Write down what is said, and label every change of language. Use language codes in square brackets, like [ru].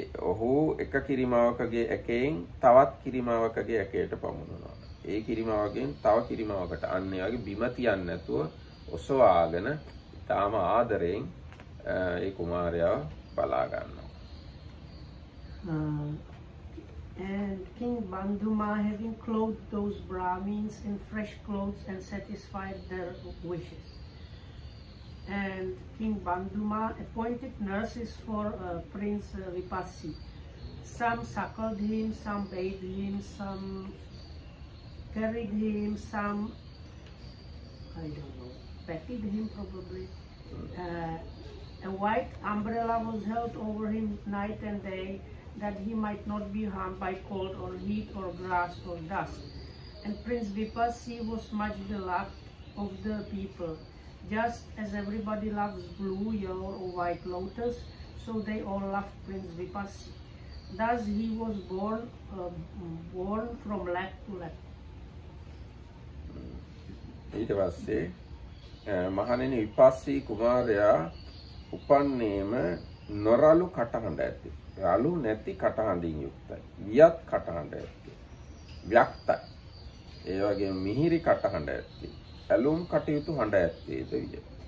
[si] ඔහු එක කිරිමාවකගේ ඇකෙන් තවත් කිරිමාවකගේ ඇකයට පමුණුනවා. ඒ කිරිමාවකෙන් තව කිරිමාවකට අන්නේ වගේ බිම තියන්නේ නැතුව ඔසවාගෙන ඉතාම ආදරයෙන් ඒ කුමාරයාව බලා ගන්නවා. [en] And King Banduma, having clothed those Brahmins in fresh clothes and satisfied their wishes. And King Banduma appointed nurses for Prince Vipassi. Some suckled him, some bathed him, some carried him, some, I don't know, petted him probably. A white umbrella was held over him night and day, that he might not be harmed by cold or heat or grass or dust. And Prince Vipassi was much beloved of the people. Just as everybody loves blue, yellow or white lotus, so they all loved Prince Vipassi. Thus he was born born from lap to lap. [si] ඊට පස්සේ මහණෙනි විපස්සි කුමාරයා උපන්නේම නොරළු කටහඬ ඇති. රළු නැති කටහඬින් යුක්තයි. වියත් කටහඬ ඇති. වික්තයි. ඒ වගේම මිහිරි කටහඬ ඇති. ඇලුම් කටයුතු හඬ ඇති දෙවිය.